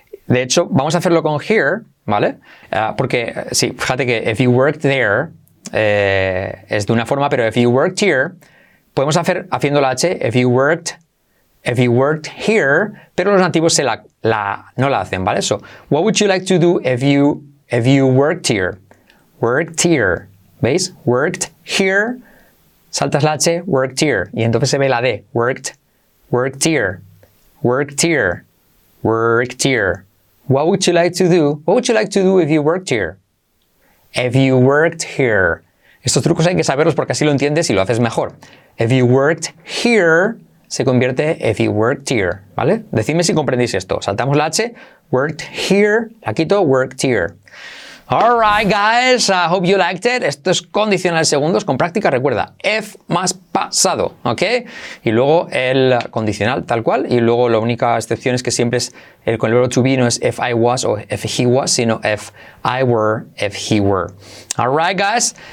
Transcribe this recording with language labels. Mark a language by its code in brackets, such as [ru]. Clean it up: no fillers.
[es] De hecho, vamos a hacerlo con here, ¿vale? Porque, sí, fíjate que [en] if you worked there [es] es de una forma, pero [en] if you worked here, [es] podemos hacer haciendo la H, if you worked here, pero los nativos no la hacen, ¿vale? [en] So, what would you like to do if you worked here? Worked here. ¿Veis? Worked here. [es] saltas la H, [en] worked here, [es] y entonces se ve la D, [en] worked, worked here, worked here, worked here. What would you like to do? What would you like to do if you worked here? If you worked here. [es] Estos trucos hay que saberlos porque así lo entiendes y lo haces mejor. [en] If you worked here, [es] se convierte if you worked here, ¿vale? Decidme si comprendéis esto. Saltamos la H, worked here, la quito, worked here. [en] All right, guys, I hope you liked it. [es] Esto es condicional segundos con práctica. Recuerda, if más pasado, ¿ok? Y luego el condicional tal cual. Y luego la única excepción es que siempre es el con el verbo to be, no es if I was o if he was, sino [en] if I were, if he were. All right, guys.